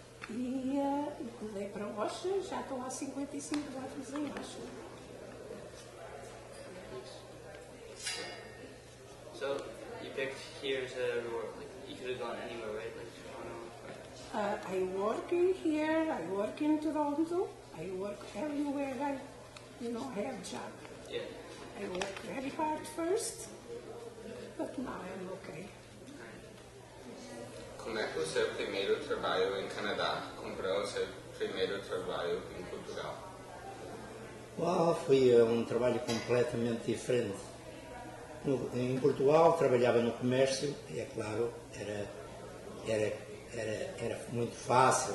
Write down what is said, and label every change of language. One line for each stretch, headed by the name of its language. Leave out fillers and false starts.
Portuguese: E mudei para Oshawa, já estou há 55 anos em Oshawa.
English: So you picked here to work, like you could have gone anywhere, right? Like Toronto. I work in here, I work in Toronto, I work everywhere I, you know, I have a job. Yeah. I worked very hard first, but now I'm okay.
Portuguese: Como é que o seu primeiro trabalho em Canadá comprou o seu primeiro trabalho em Portugal? Uau, foi um trabalho completamente diferente. Em Portugal, trabalhava no comércio e, é claro, era muito fácil.